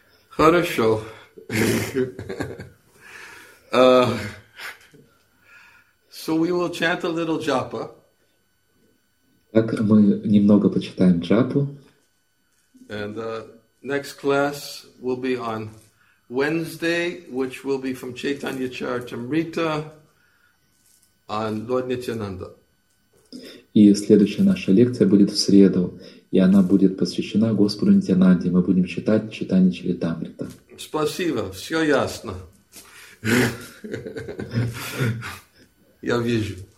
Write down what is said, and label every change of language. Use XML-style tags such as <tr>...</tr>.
<ru>Хорошо.</ru> <en>So we will chant a little japa.</en> <ru>Так мы немного почитаем джапу.</ru> <en>And next class will be on Wednesday, which will be from Chaitanya Charitamrita on Lord Nityananda.</en> <ru>И следующая наша лекция будет в среду. И она будет посвящена Господу Нитянанде. Мы будем читать Чайтанья Чаритамрита. Спасибо. Все ясно. Я вижу.</ru>